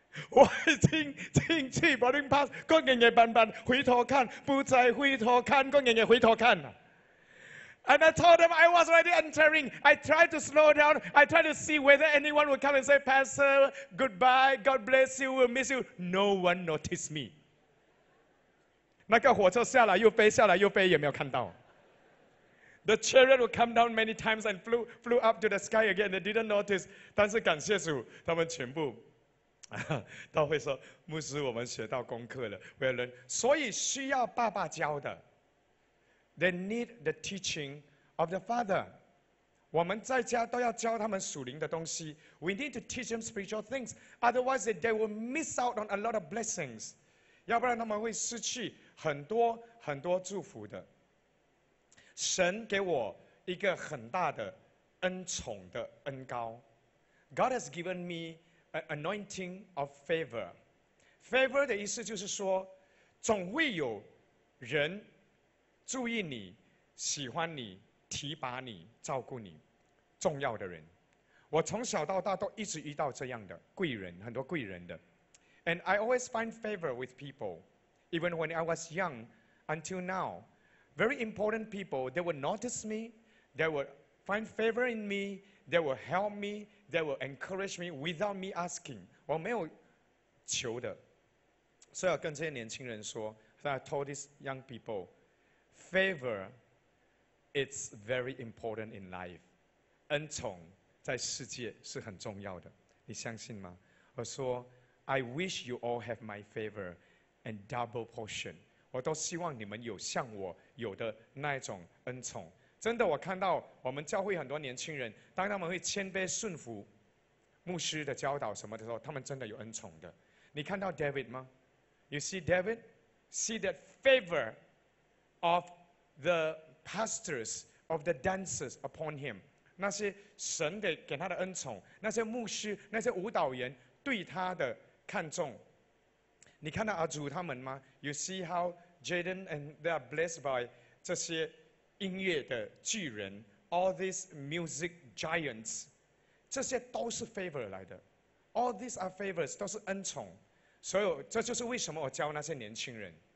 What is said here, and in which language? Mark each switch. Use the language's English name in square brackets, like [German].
[Chinese] 我已经进去 boarding pass， 个人也斑斑回头看，不再回头看，个人也回头看。 [English] And I told them I was already entering. I tried to slow down. I tried to see whether anyone would come and say, Pastor, goodbye, God bless you, we'll miss you. No one noticed me. [Chinese] 那个火车下来又飞，下来又飞，也没有看到。 [English] The chariot would come down many times and flew up to the sky again. They didn't notice. [Chinese] 但是感谢主，他们全部都会说，牧师，我们学到功课了。 [English] We learn. [Chinese] 所以需要爸爸教的。 [English] They need the teaching of the father. [Chinese] 我们在家都要教他们属灵的东西。 [English] We need to teach them spiritual things. Otherwise, they will miss out on a lot of blessings. [Chinese] 要不然他们会失去很多很多祝福的。神给我一个很大的恩宠的恩膏。 [English] God has given me an anointing of favor. [Chinese] Favor 的意思就是说，总会有人注意你，喜欢你，提拔你，照顾你，重要的人。我从小到大都一直遇到这样的贵人，很多贵人的。 [English] And I always find favor with people, even when I was young, until now. Very important people, they will notice me, they will find favor in me, they will help me, they will encourage me without me asking. [Chinese] 我没有求的。所以我跟这些年轻人说 [English] I told these young people,Favor, it's very important in life. [Chinese] 恩宠在世界是很重要的。你相信吗？我说 [English] ，I wish you all have my favor and double portion. [Chinese] 我都希望你们有像我有的那种恩宠。真的，我看到我们教会很多年轻人，当他们会谦卑顺服牧师的教导什么的时候，他们真的有恩宠的。你看到 David 吗 [English] ？You see David? See that favor. Of the pastors, of the dancers upon him. [Chinese] 那些神给他的恩宠，那些牧师，那些舞蹈员对他的看重。你看到阿祖他们吗？ [English] You see how Jaden and they are blessed by [Chinese] 这些音乐的巨人， [English] all these music giants. [Chinese] 这些都是 favor 来的。 [English] All these are favors, [Chinese] 都是恩宠。所以这就是为什么我教那些年轻人。